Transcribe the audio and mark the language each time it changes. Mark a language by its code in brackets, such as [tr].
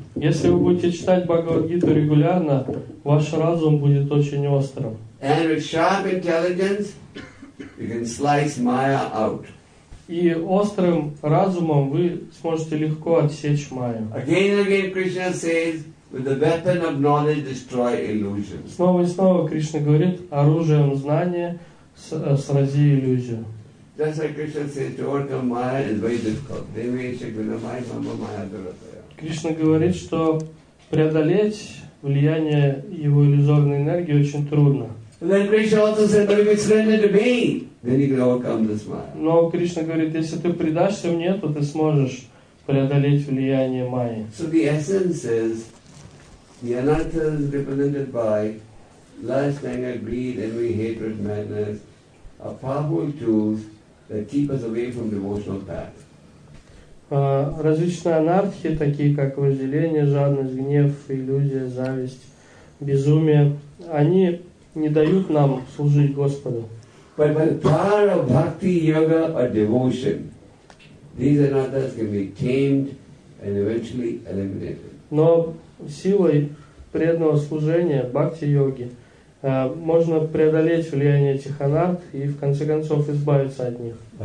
[ru] Если вы будете читать Бхагавад-гиту регулярно, ваш разум будет очень острым. [en] And with sharp intelligence, you can slice Maya out. [ru] И острым разумом вы сможете легко отсечь Майю. [en] Again and again, Krishna says, with the weapon of knowledge, destroy illusion. [ru] Снова и снова Кришна говорит, оружием знания срази иллюзию. [en] That's why Krishna says to overcome Maya is very difficult. [sa] Devi Shikuna Maya Mamma Maya Duratayam. [ru] Кришна говорит, что преодолеть влияние его иллюзорной энергии очень трудно. [en] Then Krishna also said, but if you surrender to me, then you can overcome this Maya. [ru] Но Кришна говорит, если ты предашься мне, то ты сможешь преодолеть влияние Майи. [en] So the essence is the anatta is represented by lust, anger, greed, envy, hatred, madness. A powerful tools that keep us away from devotional path. [ru] Различные анархи, такие как вожделение, жадность, гнев, иллюзия, зависть, безумие, они не дают нам служить Господу. [en] But by the power of bhakti, yoga, or devotion, these anarthas can be tamed and eventually eliminated. [ru] Но силой преданного служения, бхакти йоги, можно преодолеть влияние этих анарт и в конце концов избавиться от них.